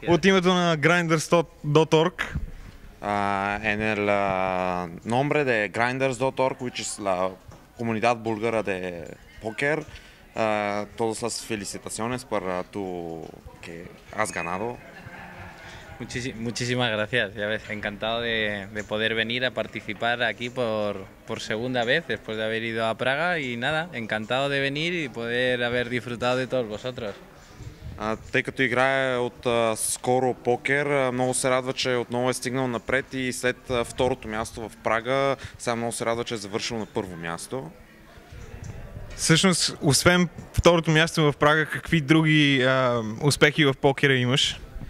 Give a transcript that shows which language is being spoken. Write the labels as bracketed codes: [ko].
[bg] От името на grinders.org. [es] En el nombre de grinders.org, [en] which is [es] la comunidad búlgara de póker, todas las felicitaciones para tu que has ganado. Muchísimas gracias, ya ves, encantado de poder venir a participar aquí por segunda vez después de haber ido a Praga y nada, encantado de venir y poder haber disfrutado de todos vosotros. [bg] Тъй като играе от скоро покер, много се радва, че отново е стигнал напред и след второто място в Прага, само много се радва, че е завършил на първо място. Всъщност, освен второто място в Прага, какви други успехи в покера имаш?